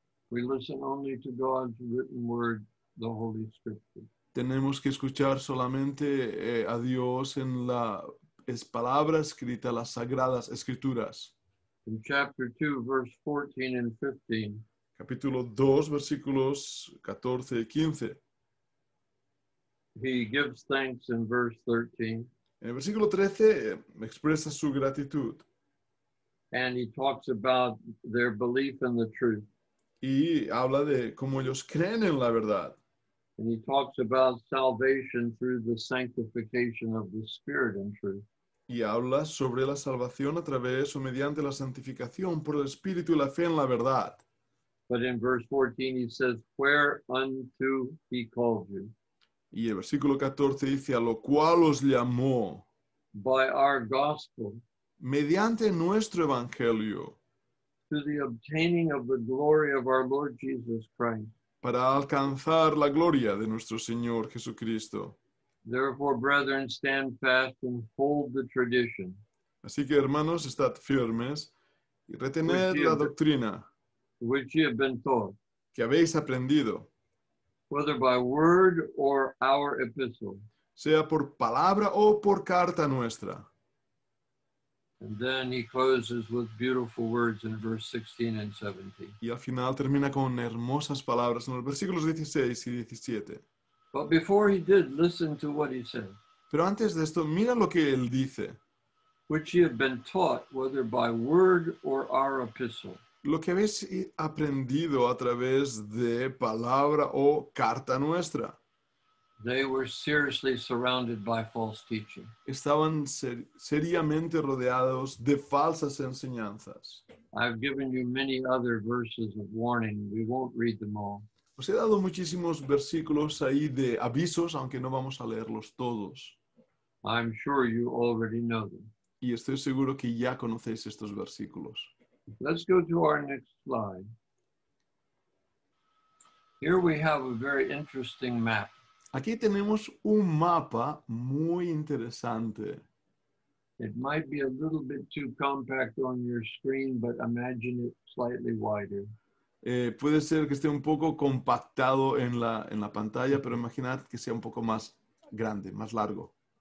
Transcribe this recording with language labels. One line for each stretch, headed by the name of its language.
English: We listen only to God's written word, the Holy Scripture.
Spanish: Tenemos que escuchar solamente a Dios en la palabra escrita, las sagradas escrituras.
English: In chapter 2, verse 14 and 15.
Spanish: Capítulo 2, versículos 14 y 15.
English: He gives thanks in verse 13.
Spanish: En el versículo 13 expresa su gratitud.
English: And he talks about their belief in the truth.
Spanish: Y habla de cómo ellos creen en la verdad.
English: And he talks about salvation through the sanctification of the Spirit in truth.
Spanish: Y habla sobre la salvación a través o mediante la santificación por el Espíritu y la fe en la verdad.
English: But in verse 14 he says, whereunto he called you.
Spanish: Y el versículo 14 dice, a lo cual os llamó.
English: By our gospel.
Spanish: Mediante nuestro evangelio.
English: To the obtaining of the glory of our Lord Jesus Christ.
Spanish: Para alcanzar la gloria de nuestro Señor Jesucristo.
English: Therefore, brethren, stand fast and hold the tradition.
Spanish: Así que, hermanos, estad firmes y retened la doctrina.
English: Which ye have been taught.
Spanish: Que habéis aprendido.
English: Whether by word or our epistle.
Spanish: Sea por palabra o por carta nuestra.
English: And then he closes with beautiful words in verse 16 and 17.
Spanish: Y al final termina con hermosas palabras en los versículos 16 y 17.
English: But before he did, listen to what he said.
Spanish: Pero antes de esto, mira lo que él dice.
English: Which ye have been taught, whether by word or our epistle.
Spanish: Lo que habéis aprendido a través de palabra o carta nuestra.
English: They were seriously surrounded by false teaching.
Spanish: Estaban seriamente rodeados de falsas enseñanzas.
English: I've given you many other verses of warning. We won't read them all.
Spanish: Os he dado muchísimos versículos ahí de avisos, aunque no vamos a leerlos todos.
English: I'm sure you already know them.
Spanish: Y estoy seguro que ya conocéis estos versículos.
English: Let's go to our next slide. Here we have a very interesting map.
Spanish: Aquí tenemos un mapa muy interesante.
English: It might be a little bit too compact on your screen, but imagine it slightly wider.
Spanish: Puede ser que esté un poco compactado en la pantalla, pero imaginad que sea un poco más grande, más largo.